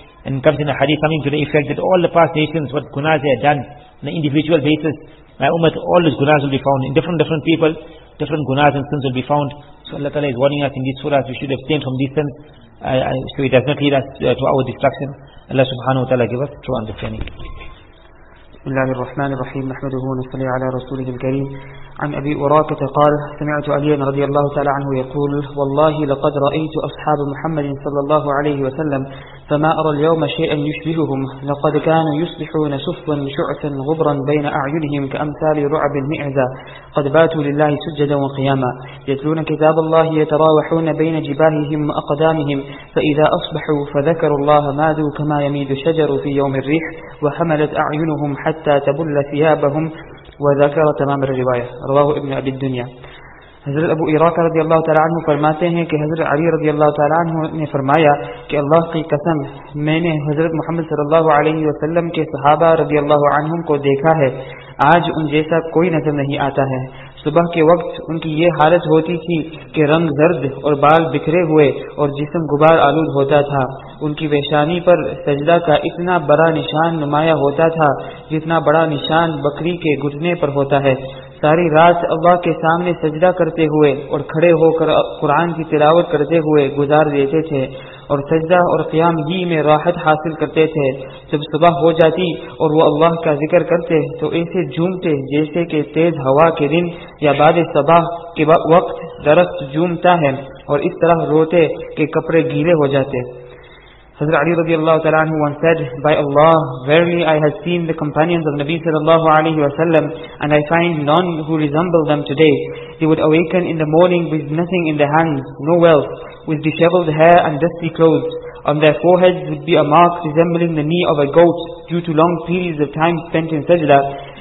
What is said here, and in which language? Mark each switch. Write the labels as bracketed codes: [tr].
[en] And comes in a hadith coming to the effect that all the past nations, what gunas they had done on an individual basis, my ummah, all those gunas will be found in different people, different gunas and sins will be found. So Allah Ta'ala is warning us in this surah, we should abstain from these sins, so it does not lead us to our destruction. Allah subhanahu wa ta'ala give us true understanding. [ar] بالله الرحمن الرحيم نحمده ونصلي على رسوله الكريم عن أبي أراقة قال سمعت علي رضي الله تعالى عنه يقول والله لقد رأيت أصحاب محمد صلى الله عليه وسلم فما أرى اليوم شيئا يشبههم لقد كانوا يصبحون سفوا شعثا غبرا بين أعينهم كأمثال رعب المعزى قد باتوا لله سجدا وقياما يتلون كتاب الله يتراوحون بين جباههم وأقدامهم فإذا أصبحوا فذكروا الله مادوا كما يميد الشجر في يوم الريح وحملت أعينهم حتى تبل ثيابهم وذكر تمام الرواية رواه ابن أبي الدنيا. [ur] حضرت ابو عراق رضی اللہ تعالی عنہ فرماتے ہیں کہ حضرت علی رضی اللہ تعالی عنہ نے فرمایا کہ اللہ کی قسم میں نے حضرت محمد صلی اللہ علیہ وسلم کے صحابہ رضی اللہ عنہم کو دیکھا ہے آج ان جیسا کوئی نظر نہیں آتا ہے صبح کے وقت ان کی یہ حالت ہوتی تھی کہ رنگ زرد اور بال بکھرے ہوئے اور جسم غبار آلود ہوتا تھا ان کی ویشانی پر سجدہ کا اتنا بڑا نشان نمایاں ہوتا تھا جتنا بڑا نشان بکری کے گھٹنے پر ہوتا ہے ساری رات اللہ کے سامنے سجدہ کرتے ہوئے اور کھڑے ہو کر قرآن کی تلاوت کرتے ہوئے گزار دیتے تھے اور سجدہ اور قیام ہی میں راحت حاصل کرتے تھے جب صبح ہو جاتی اور وہ اللہ کا ذکر کرتے تو ایسے جھومتے جیسے کہ تیز ہوا کے دن یا بعد صبح کے وقت درخت جھومتا ہے اور اس طرح روتے کہ کپڑے گیلے ہو جاتے. [en] Hazrat Ali radiallahu ta'ala anhu once said, by Allah, verily I have seen the companions of Nabi sallallahu alayhi wa sallam, and I find none who resemble them today. They would awaken in the morning with nothing in their hands, no wealth, with disheveled hair and dusty clothes. On their foreheads would be a mark resembling the knee of a goat due to long periods of time spent in sajda.